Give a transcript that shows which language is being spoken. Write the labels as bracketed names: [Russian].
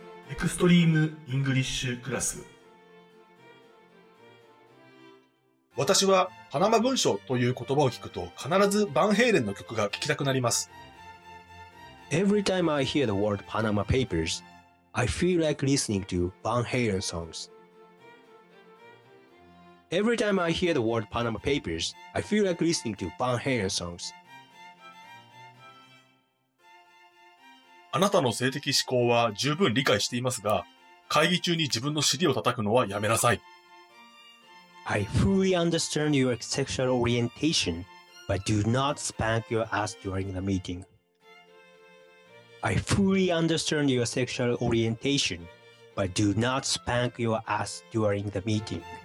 [English] エクストリームイングリッシュクラス。 [Japanese] 私はパナマ文書という言葉を聞くと、必ずバンヘイレンの曲が聴きたくなります。 [English] Every time I hear the word Panama Papers, I feel like listening to Van Halen songs. Every time I hear the word Panama Papers, I feel like listening to Van Halen songs. [Japanese] あなたの性的嗜好は十分理解していますが、会議中に自分の尻を叩くのはやめなさい。 [English] I fully understand your sexual orientation, but do not spank your ass during the meeting. I fully understand your sexual orientation, but do not spank your ass during the meeting.